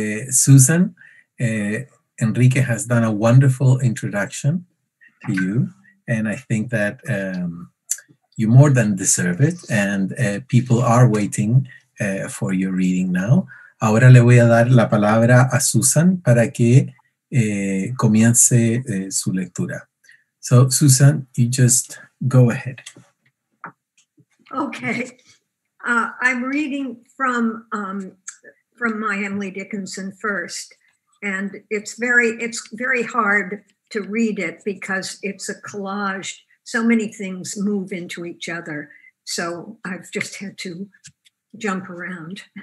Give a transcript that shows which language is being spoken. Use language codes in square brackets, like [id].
[en] Susan, Enrique has done a wonderful introduction to you, and I think that you more than deserve it, and people are waiting for your reading now. [es] Ahora le voy a dar la palabra a Susan para que comience su lectura. [en] So, Susan, you just go ahead. Okay, I'm reading from my Emily Dickinson first, and it's very hard to read it because it's a collage. So many things move into each other, so I've just had to jump around.